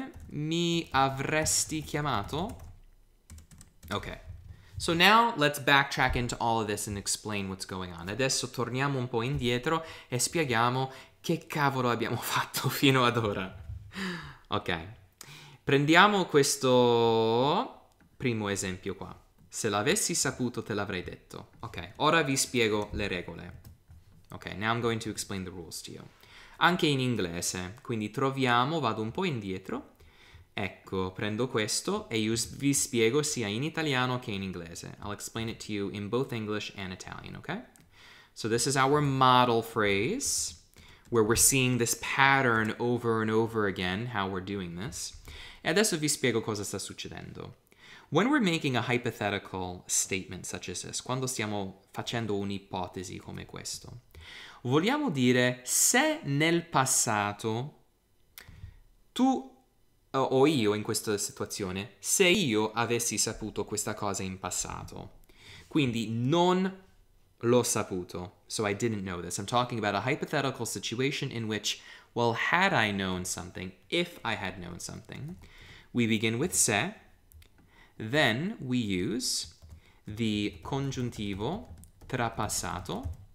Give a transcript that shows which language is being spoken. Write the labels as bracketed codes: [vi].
[it] Mi avresti chiamato? [en] Ok, so now let's backtrack into all of this and explain what's going on. [it] Adesso torniamo un po' indietro e spieghiamo che cavolo abbiamo fatto fino ad ora. Ok, prendiamo questo primo esempio qua. Se l'avessi saputo te l'avrei detto. Ok, ora vi spiego le regole. [en] Ok, now I'm going to explain the rules to you. [it] Anche in inglese, quindi troviamo, vado un po' indietro, ecco, prendo questo e io vi spiego sia in italiano che in inglese. [en] I'll explain it to you in both English and Italian, ok? So this is our model phrase, where we're seeing this pattern over and over again, how we're doing this. [it] E adesso vi spiego cosa sta succedendo. [en] When we're making a hypothetical statement such as this, [it] quando stiamo facendo un'ipotesi come questo. Vogliamo dire se nel passato tu o io in questa situazione, se io avessi saputo questa cosa in passato. Quindi non l'ho saputo. [en] So I didn't know this. I'm talking about a hypothetical situation in which, well, had I known something, if I had known something, we begin with se, then we use the congiuntivo trapassato.